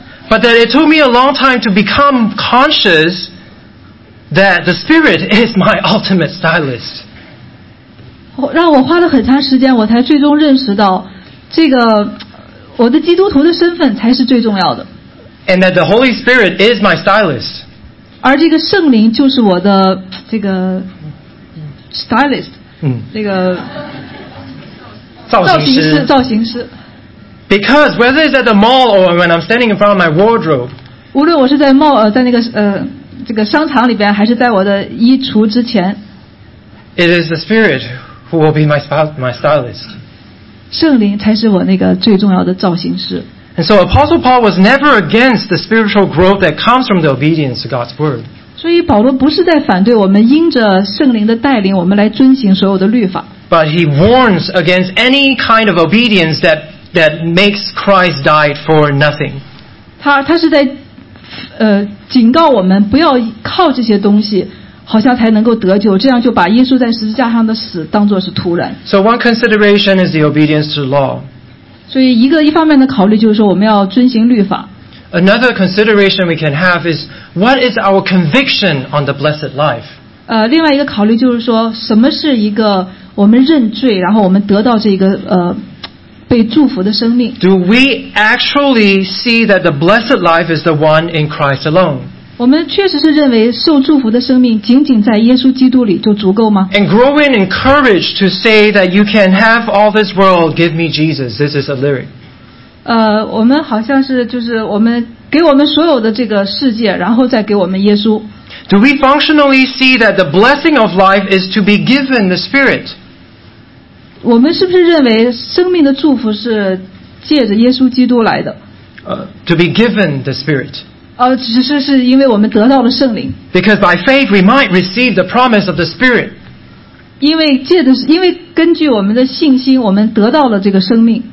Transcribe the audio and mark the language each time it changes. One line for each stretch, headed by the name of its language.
English: But that it took me a long time to become conscious that the Spirit is my ultimate stylist.
Chinese: 让我花了很长时间我才最终认识到这个我的基督徒的身份才是最重要的。
English: And that the Holy Spirit is my stylist.
Chinese: 而这个圣灵就是我的这个 stylist,、这个造型师。
English: Because whether it's at the mall or when I'm standing in front of my wardrobe,
Chinese: 无论我是在 mall, 在那个这个商场里边还是在我的衣橱之前
English: it is the Spirit. Who will be my stylist?
Chinese: 圣灵才是我那个最重要的造型师。
English: And so Apostle Paul was never against the spiritual growth that comes from the obedience to God's word.
Chinese: 所以保罗不是在反对我们因着圣灵的带领我们来遵行所有的律法。
English: But he warns against any kind of obedience that makes Christ die for nothing.
Chinese: 他是在警告我们不要靠这些东西。好像才能够得救，这样就把耶稣在十字架上的死当作是徒然。
English: So one consideration is the obedience to law.
Chinese: 所以一方面的考虑就是说我们要遵行律法。
English: Another consideration we can have is what is our conviction on the blessed life?
Chinese: 另外一个考虑就是说什么是一个我们认罪，然后我们得到这个被祝福的生命。
English: Do we actually see that the blessed life is the one in Christ alone?
Chinese: 我们确实是认为受祝福的生命仅仅在耶稣基督里就足够吗？
English: And growing in courage to say that you can have all this world, give me Jesus. This is a lyric.
Chinese: 我们好像是就是我们给我们所有的这个世界，然后再给我们耶稣。
English: Do we functionally see that the blessing of life is to be given the Spirit?
Chinese: 我们是不是认为生命的祝福是借着耶稣基督来的？
English: To be given the Spirit.
Chinese: 只是因为我们得到了圣灵。
English: Because by faith we might receive the promise of the Spirit.
Chinese: 因为根据我们的信心，我们得到了这个生命。